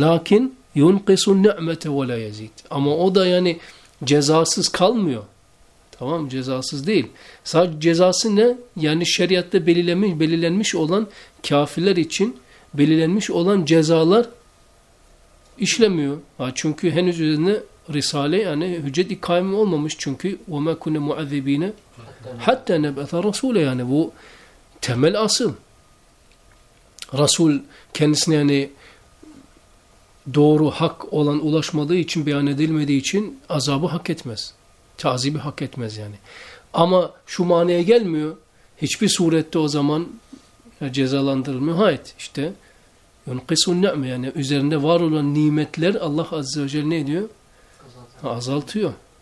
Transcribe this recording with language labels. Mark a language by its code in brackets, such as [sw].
[ar] Lakin yunqisun ni'mete ve la yezid. [tr] Ama o da yani cezasız kalmıyor. Tamam, cezasız değil. Sadece cezası ne? Yani şeriatta belirlenmiş olan kafirler için belirlenmiş olan cezalar işlemiyor. Ha, çünkü henüz üzerine risale yani hüccet ikame olmamış. [ar] Çünkü وَمَا كُنَّ مُعَذِّب۪ينَ حَتَّى نَبْأَثَ رَسُولَ. [tr] Yani bu temel asıl. Resul kendisine yani doğru hak olan ulaşmadığı için, beyan edilmediği için azabı hak etmez. Teazibi hak etmez yani. Ama şu manaya gelmiyor. Hiçbir surette o zaman cezalandırılmıyor. Hayır, işte yunqisun ni'me, yani üzerinde var olan nimetler Allah Azze ve Celle ne diyor? Azaltıyor.